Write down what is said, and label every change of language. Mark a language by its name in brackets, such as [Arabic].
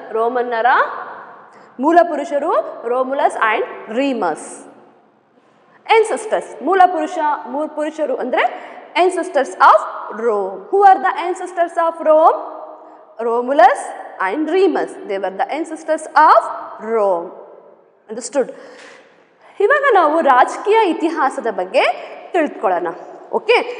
[Kannada] ರೋಮನ್ನರ ಮೂಲ ಪುರುಷರು ರೋಮುಲಸ್ ಆ್ಯಂಡ್ ರೀಮಸ್. ಎನ್ಸೆಸ್ಟರ್ಸ್, ಮೂಲ ಪುರುಷರು ಅಂದರೆ [English] ancestors of Rome. Who are the ancestors of Rome? Romulus and Remus. They were the ancestors of Rome. Understood? [Kannada] ಇವಾಗ ನಾವು ರಾಜಕೀಯ ಇತಿಹಾಸದ ಬಗ್ಗೆ ತಿಳ್ಕೊಳ್ಳೋಣ. ಓಕೆ.